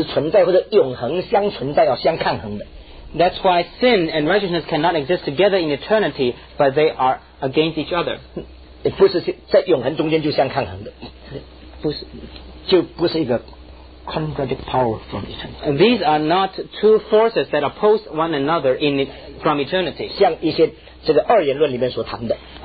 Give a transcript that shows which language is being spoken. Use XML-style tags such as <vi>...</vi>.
<zh>所以罪不能说与义是同时存在或者永恒相存在，要相抗衡的。</zh> <en>That's why sin and righteousness cannot exist together in eternity, but they are against each other.</en> <zh>不是在永恒中间就相抗衡的，不是，就不是一个</zh> <en>contradict power from eternity. These are not two forces that oppose one another in from eternity.</en> <zh>像一些这个二元论里面所谈的，</zh>